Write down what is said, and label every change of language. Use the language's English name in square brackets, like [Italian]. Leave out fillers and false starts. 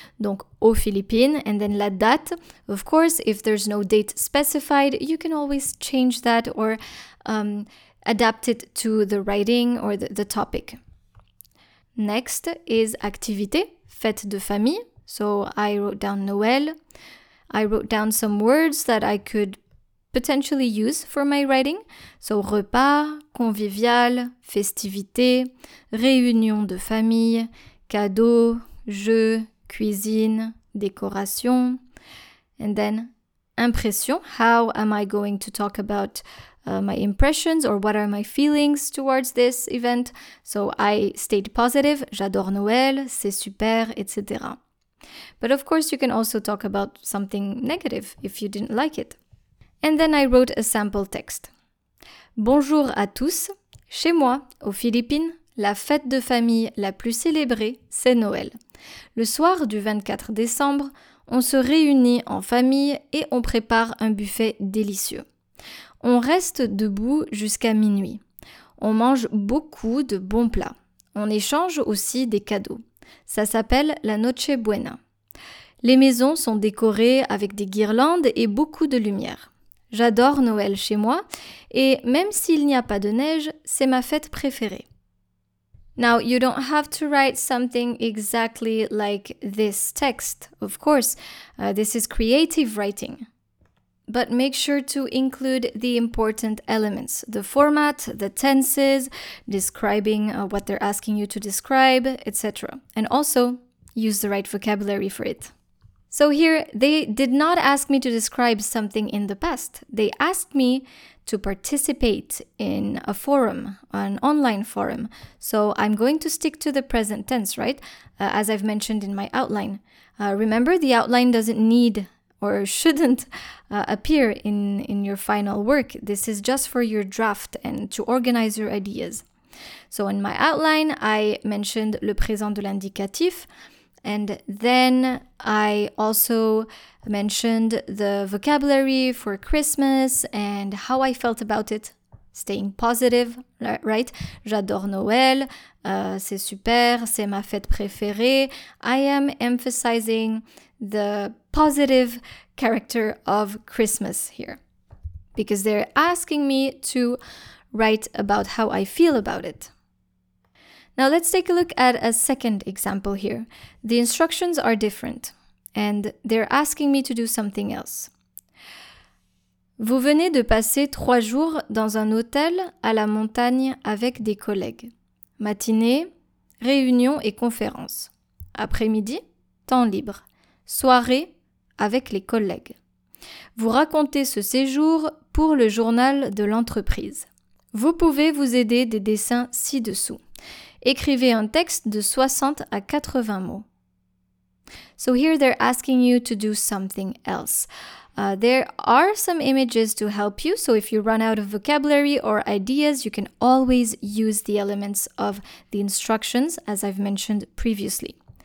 [French] Donc, aux Philippines, [English] and then la date. Of course, if there's no date specified, you can always change that or adapt it to the writing or the topic. Next is activité, fête de famille. So I wrote down Noël. I wrote down some words that I could potentially use for my writing. [French] So repas, convivial, festivité, réunion de famille, cadeaux, jeux, cuisine, décoration. [English] And then impression. How am I going to talk about my impressions or what are my feelings towards this event? So I stayed positive. [French] J'adore Noël, c'est super, etc. [English] But of course, you can also talk about something negative if you didn't like it. And then I wrote a sample text. [French] Bonjour à tous. Chez moi, aux Philippines, la fête de famille la plus célébrée, c'est Noël. Le soir du 24 décembre, on se réunit en famille et on prépare un buffet délicieux. On reste debout jusqu'à minuit. On mange beaucoup de bons plats. On échange aussi des cadeaux. Ça s'appelle la Noche Buena. Les maisons sont décorées avec des guirlandes et beaucoup de lumière. J'adore Noël chez moi et même s'il n'y a pas de neige, c'est ma fête préférée. [English] Now, you don't have to write something exactly like this text, of course. This is creative writing. But make sure to include the important elements, the format, the tenses, describing what they're asking you to describe, etc. And also, use the right vocabulary for it. So here, they did not ask me to describe something in the past. They asked me to participate in a forum, an online forum. So I'm going to stick to the present tense, right? As I've mentioned in my outline. Remember, the outline doesn't need or shouldn't appear in your final work. This is just for your draft and to organize your ideas. So in my outline, I mentioned [French] le présent de l'indicatif, [English] and then I also mentioned the vocabulary for Christmas and how I felt about it. Staying positive, right? [French] J'adore Noël, c'est super, c'est ma fête préférée. [English] I am emphasizing the positive character of Christmas here, because they're asking me to write about how I feel about it. Now let's take a look at a second example here. The instructions are different, and they're asking me to do something else. [French] Vous venez de passer 3 jours dans un hôtel à la montagne avec des collègues. Matinée, réunion et conférence. Après-midi, temps libre. Soirée, avec les collègues. Vous racontez ce séjour pour le journal de l'entreprise. Vous pouvez vous aider des dessins ci-dessous. Écrivez un texte de 60 à 80 mots. [English] So here they're asking you to do something else. There are some images to help you, so if you run out of vocabulary or ideas, you can always use the elements of the instructions, as I've mentioned previously.